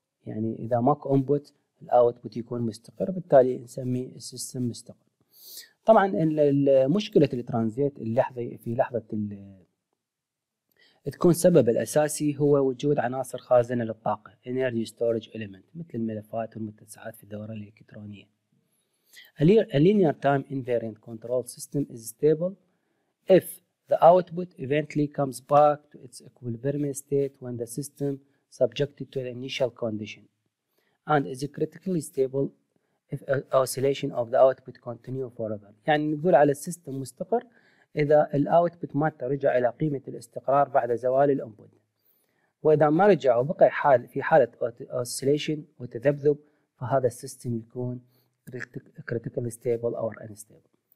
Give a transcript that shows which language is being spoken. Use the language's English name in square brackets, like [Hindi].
[Arabic] يعني إذا ماك أنبوت الأوتبوت يكون مستقر، بالتالي نسمي السيستم مستقر. طبعا المشكلة الترانزيت اللحظي في لحظة تكون سبب الأساسي هو وجود عناصر خازنة للطاقة [English] energy storage element [Arabic] مثل الملفات والمتسعات في الدورة الإلكترونية. [English] A linear time invariant control system is stable if the output eventually comes back to its equilibrium state when the system subjected to the initial condition, and is critically stable if oscillation of the output continue forever. [Arabic] يعني نقول على السيستم مستقر إذا الأوتبوت ما ترجع إلى قيمة الاستقرار بعد زوال الأنبوت، وإذا ما رجع وبقى في حالة oscillation وتذبذب فهذا السيستم يكون [English] critically stable or unstable.